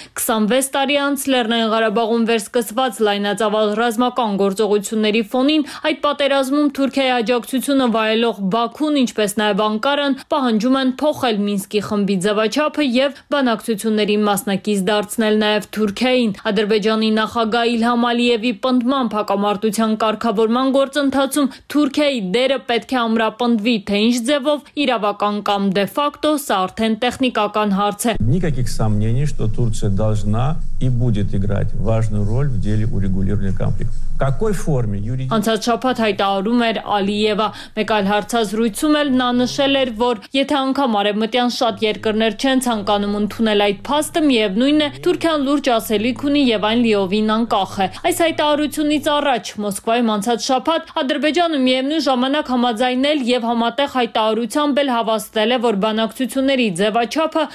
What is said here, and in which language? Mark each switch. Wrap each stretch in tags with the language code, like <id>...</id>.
<hy>26 տարի անց Լեռնային Ղարաբաղում վերսկսված լայնածավալ ռազմական գործողությունների ֆոնին այդ պատերազմում Թուրքիայի աջակցությունը վայելող Բաքուն, ինչպես նաև Անկարան, պահանջում են փոխել Մինսկի խմբի ձևաչափը և բանակցությունների մասնակից դարձնել նաև Թուրքիային։ Ադրբեջանի նախագահ Իլհամ Ալիևի պնդմամբ հակամարտության կարգավորման գործընթացում Թուրքիայի դերը պետք է ամրապնդվի, թե ինչ ձևով, իրավական կամ դե ֆակտո, սա արդեն տեխնիկական հարց է։</hy> <ru>Никаких сомнений, что Турция должна и будет играть важную роль в деле урегулирования конфликта. Какой форме юридической?</ru> <hy>Անցած շաբաթ հայտարարում էր Ալիևը, մեկ այլ հարցազրույցում էլ նա նշել էր, որ եթե անգամ արևմտյան շատ երկրներ չեն ցանկանում ընդունել այդ փաստը, միևնույնն է, Թուրքիան լուրջ ասելիք ունի եւ այն լիովին անկախ է։ Այս հայտարարությունից առաջ Մոսկվայում անցած շաբաթ Ադրբեջանը միևնույն ժամանակ համաձայնել եւ համատեղ հայտարարությամբ էլ հավաստել է, որ բանակցությունների ձևաչափը</hy>